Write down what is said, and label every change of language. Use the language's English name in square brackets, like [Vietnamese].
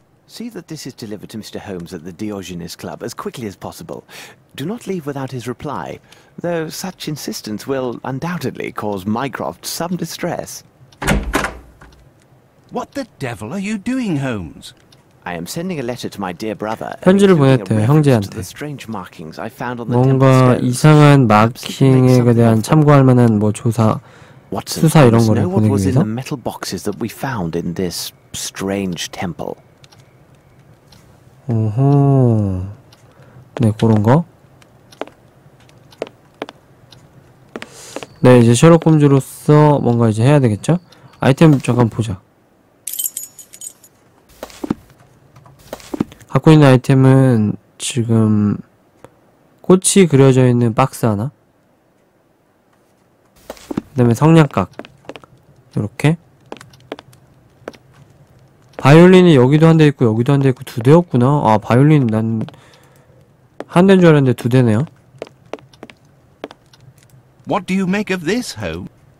[English] See that this is delivered to Mr. Holmes at the Diogenes Club as quickly as possible. Do not leave without his reply, though such insistence will undoubtedly cause Mycroft some distress. What the devil are you doing, Holmes? I am sending a letter to my dear brother. [Korean] 편지를 보냈대요, 형제한테. 뭔가 이상한 마킹에 대한 참고할 만한 뭐 조사, 수사 이런 거를 보내기 위해서? [English] What was in the metal boxes that we found in this strange temple? [Korean] 오호, 네, 그런 거. 네, 이제 셜록 홈즈로서 뭔가 이제 해야 되겠죠? 아이템 잠깐 보자. 갖고 있는 아이템은 지금 꽃이 그려져 있는 박스 하나, 그다음에 성냥각 이렇게. 바이올린이 여기도 한 대 있고 여기도 한 대 있고 두 대였구나. 아, 바이올린 난 한 대인 줄 알았는데 두 대네요. [English] What do you make of this, Holmes?